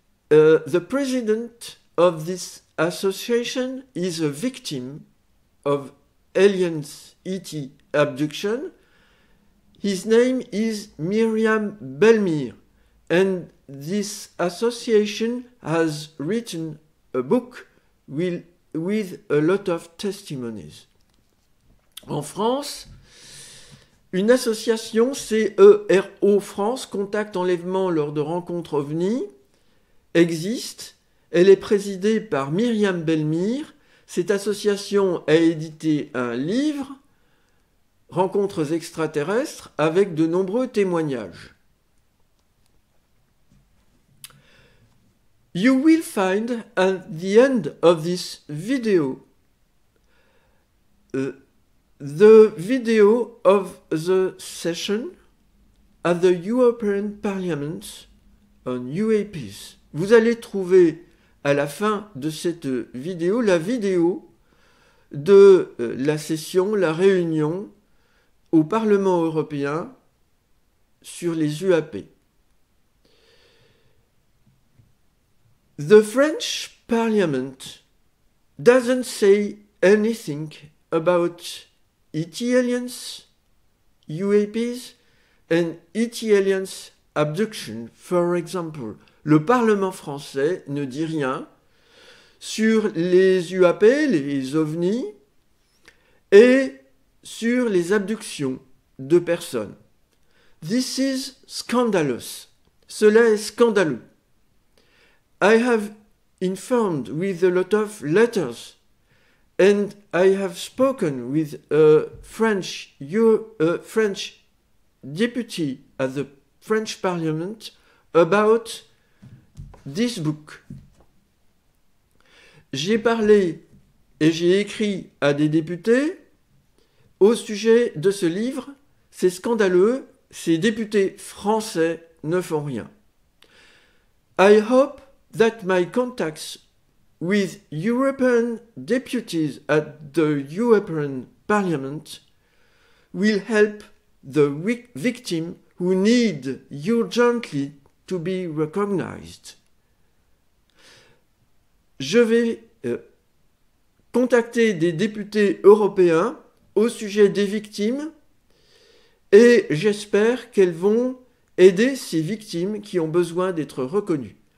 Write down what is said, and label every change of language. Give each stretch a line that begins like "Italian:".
English: The president of this association is a victim of aliens ET abduction. His name is Myriam Belmir, and this association has written a book with a lot of testimonies.
French: En France, une association CERO France, Contact Enlèvement lors de rencontres OVNI, existe. Elle est présidée par Myriam Belmir. Cette association a édité un livre rencontres extraterrestres avec de nombreux témoignages.
English: You will find at the end of this video the video of the session at the European Parliament on UAPs.
French: Vous allez trouver à la fin de cette vidéo la vidéo de la session, la réunion au Parlement européen sur les UAP.
English: The French Parliament doesn't say anything about ET aliens, UAPs, and ET aliens abduction, for example.
French: Le Parlement français ne dit rien sur les UAP, les ovnis, et sur les abductions de personnes.
English: This is scandalous.
French: Cela est scandaleux.
English: I have informed with a lot of letters and I have spoken with a French deputy at the French Parliament about this book.
French: J'ai parlé et j'ai écrit à des députés au sujet de ce livre. C'est scandaleux, ces députés français ne font rien.
English: I hope that my contacts with European deputies at the European Parliament will help the victim who need urgently to be recognized.
French: Je vais contacter des députés européens au sujet des victimes et j'espère qu'elles vont aider ces victimes qui ont besoin d'être reconnues.